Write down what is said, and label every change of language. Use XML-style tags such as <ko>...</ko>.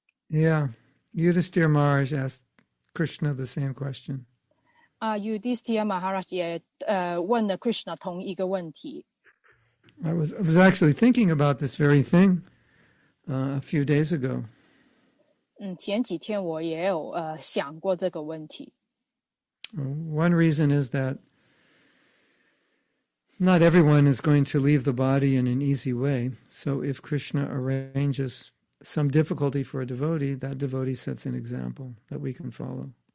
<en>Yeah. Yudhisthira Maharaj asked Krishna the same question. Yudhisthira Maharaj, yeah, asked Krishna the same question. I was actually thinking about this very thing a few days ago.</en> <zh>前几天我也有想过这个问题。</zh> <en>One reason is that not everyone is going to leave the body in an easy way. So if Krishna arranges some difficulty for a devotee, that devotee sets an example that we can follow.</en>